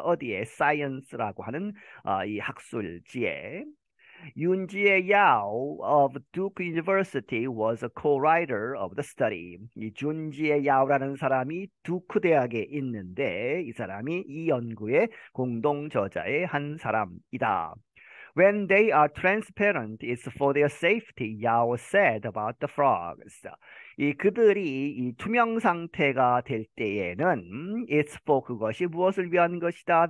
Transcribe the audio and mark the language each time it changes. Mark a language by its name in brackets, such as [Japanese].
[Korean] 어디에? Science라고 하는 이 학술지에. [English] 윤지혜 야오 of Duke University was a co-writer of the study. [Korean] 이 윤지혜 야오라는 사람이 두크 대학에 있는데 이 사람이 이 연구의 공동 저자의 한 사람이다. [English] When they are transparent, it's for their safety, Yao said about the frogs. [Korean] 그들이 이 투명 상태가 될 때에는 [English] it's for [Korean] 그것이 무엇을 위한 것이다.